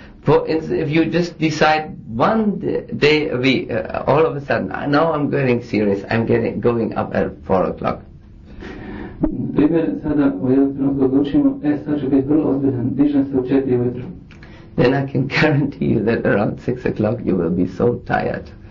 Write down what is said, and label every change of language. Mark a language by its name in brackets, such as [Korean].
[English] For instance, if you just decide one day a week, all of a sudden, now I'm getting serious, I'm going up at 4 o'clock. [Croatian] Primjer, sada u jednom trenutku odlučimo, sad ću biti vrlo ozbiljan, dižem se u 4 ujutro. [English] Then I can guarantee you that around 6 o'clock you will be so tired.